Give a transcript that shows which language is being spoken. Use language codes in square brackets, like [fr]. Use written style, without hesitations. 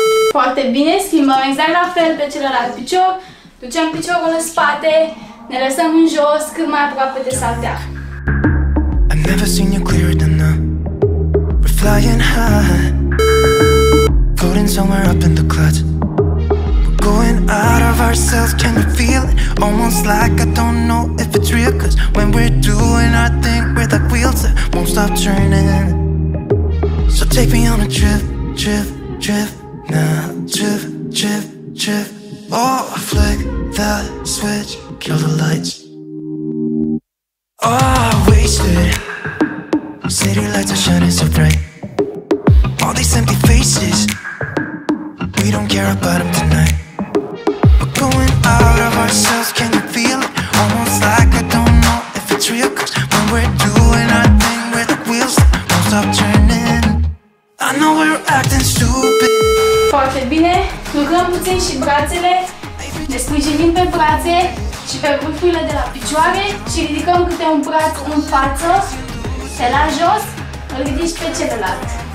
[ro] Foarte bine, schimbăm exact la fel pe celălalt picior, ducem piciorul în spate, ne lăsăm în jos cât mai aproape de saltea. [en] never seen you clearer than now. We're flying high, floating somewhere up in the clouds. We're going out of ourselves, can you feel it? Almost like I don't know if it's real. Cause when we're doing our thing, we're like wheels that won't stop turning. So take me on a trip, trip, trip now. Trip, trip, trip. Oh, flick that switch, kill the lights. Oh, wasted. City lights are shining so bright. All these empty faces, we don't care about them tonight. We're going out of ourselves, can you feel it? Almost like I don't know if it's real. Cause when we're doing our thing, we're the wheels that won't stop turning. I know we're acting stupid. [ro] Foarte bine, rugăm puțin și brațele, ne sprijinim pe brațe și pe vârfurile de la picioare și ridicăm câte un braț în față, se la jos, îl ridici pe celălalt.